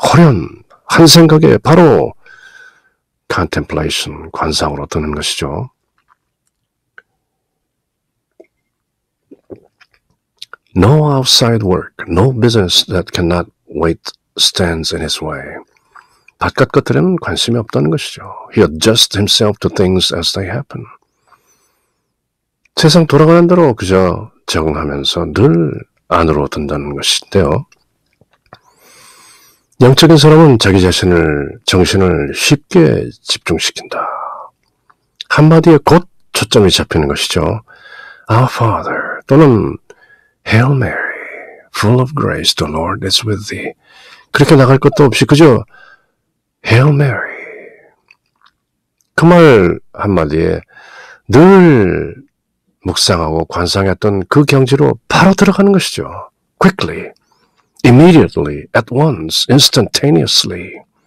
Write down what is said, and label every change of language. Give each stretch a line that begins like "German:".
Korean: 홀연 한 생각에 바로 contemplation, 관상으로 드는 것이죠.
English: 'No outside work, no business that cannot wait stands in his way.'
Korean: 바깥 것들에는 관심이 없다는 것이죠.
English: He adjusts himself to things as they happen.
Korean: 세상 돌아가는 대로 그저 적응하면서 늘 안으로 든다는 것인데요. 영적인 사람은 자기 자신을, 정신을 쉽게 집중시킨다. 한마디에 곧 초점이 잡히는 것이죠.
English: Our Father 또는 Hail Mary, full of grace, the Lord is with thee.
Korean: 그렇게 나갈 것도 없이 그저 Hail Mary. 그 말 한마디에 늘 묵상하고 관상했던 그 경지로 바로 들어가는 것이죠.
English: Quickly, immediately, at once, instantaneously.